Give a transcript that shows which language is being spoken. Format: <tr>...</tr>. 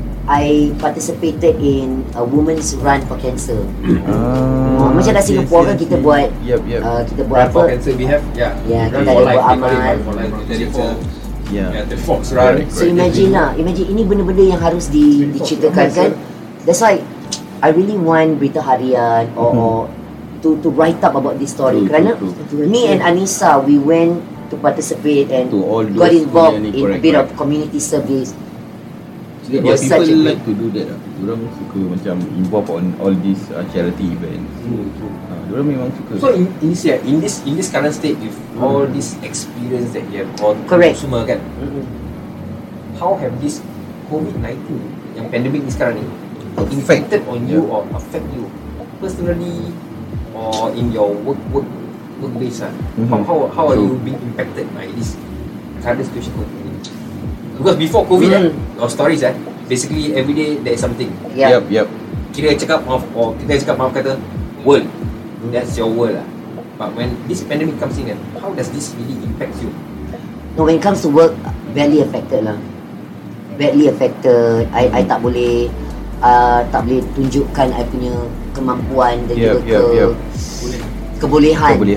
<en>I participated in a women's run for cancer.</en> <ms>Macam kat Singapura kan kita buat kita buat</ms> <en>run for cancer we have</en> <ms>kita ada buat amal</ms> <en>for the fox run. So imagine</en> <ms>ini benda-benda yang harus diceritakan kan.</ms> <en>That's why I really want Berita Harian or to write up about this story. Kerana me and Anissa, we went to participate and got involved in a bit of community service. Yeah, people like thing. To do that.</en> <ms>Diorang suka macam</ms> <en>involve on all these charity events.</en> <ms>Diorang memang suka.</ms> <en>So in this current state with all this experience that you have gone correct.</en> <ms>Semua kan.</ms> <en>How have this COVID-19 yang pandemic ni</en> <ms>sekarang ni</ms> <en>affected on you or affect you personally or in your work base? How are you being impacted by this current situation? Because before COVID, your stories basically every day there is something. Yeah. Yep, yep.</en> <ms>Kira cakap maaf, or kita cakap maaf kata world. Mm-hmm.</ms> <en>That's your world</en> <ms>lah.</ms> <en>But when this pandemic comes in, how does this really impact you? No, when it comes to work, badly affected lah. Badly affected.</en> <ms>I tak boleh tak boleh tunjukkan I punya kemampuan dan juga kebolehan</ms>